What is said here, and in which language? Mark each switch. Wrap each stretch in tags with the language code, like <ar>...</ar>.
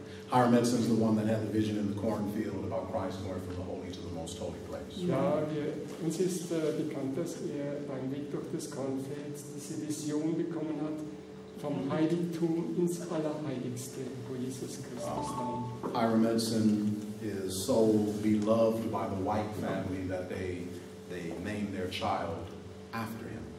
<en>Hiram Edison is the one that had the vision in the cornfield about Christ going from the holy to the most holy place.</en> <de>Ja, uns ist bekannt, dass er beim Weg durch das Kornfeld diese Vision bekommen hat vom Heiligtum ins Allerheiligste, wo Jesus Christus war.</de> <en>Hiram Edison is so beloved by the White family that they named their child after him.</en>